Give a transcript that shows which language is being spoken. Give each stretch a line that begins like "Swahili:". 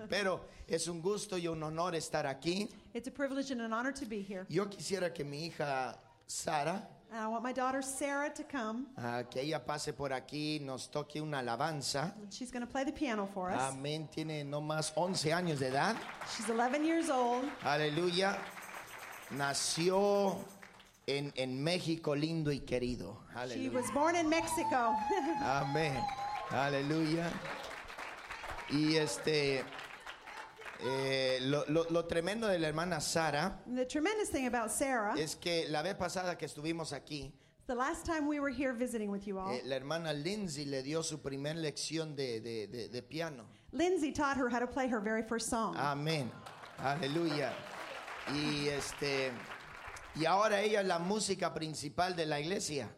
Spanish: Pero es un gusto y un honor estar aquí.
English: It's a privilege and an honor to be here.
Spanish: Yo quisiera que mi hija Sara,
English: and I want my daughter Sarah to come.
Spanish: Que ella pase por aquí, nos toque una alabanza.
English: She's going to play the piano for us.
Spanish: Amén. Tiene no más 11 años de edad.
English: She's 11 years old.
Spanish: Aleluya. Nació en México lindo y querido. Aleluya.
English: She was born in Mexico.
Spanish: Amén. Aleluya. Y este, lo tremendo de la hermana Sara,
English: the tremendous thing about Sarah,
Spanish: es que la vez pasada que estuvimos aquí,
English: the last time we were here visiting with you all,
Spanish: la hermana Lindsay le dio su primer lección de piano.
English: Lindsay taught her how to play her very first song.
Spanish: Amén. Aleluya. Y este, y ahora ella es la música principal de la iglesia.